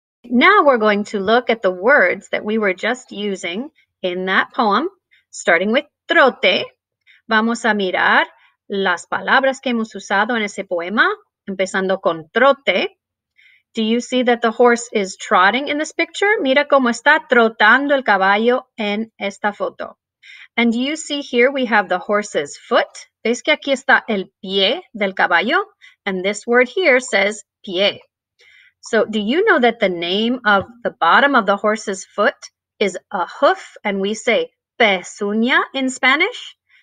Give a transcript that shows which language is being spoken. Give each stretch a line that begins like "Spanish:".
English: Now we're going to look at the words that we were just using in that poem, starting with trote.
Spanish: Vamos a mirar las palabras que hemos usado en ese poema, empezando con trote.
English: Do you see that the horse is trotting in this picture?
Spanish: Mira cómo está trotando el caballo en esta foto.
English: And do you see here we have the horse's foot?
Spanish: ¿Ves que aquí está el pie del caballo?
English: And this word here says pie. So, do you know that the name of the bottom of the horse's foot is a hoof, and we say pezuña in Spanish?